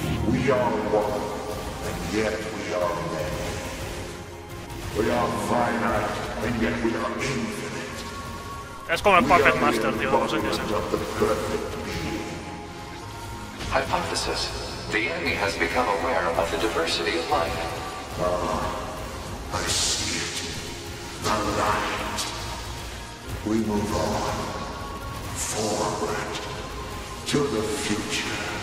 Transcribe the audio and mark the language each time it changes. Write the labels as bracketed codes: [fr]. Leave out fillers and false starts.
[en] We are one, and yet we are many. We are finite, and yet we are infinite. [es] Es como el Puppet Master, tío, no sé qué es eso. [en] Hypothesis. The enemy has become aware of the diversity of life. I see it. The light. We move on. Forward. To the future.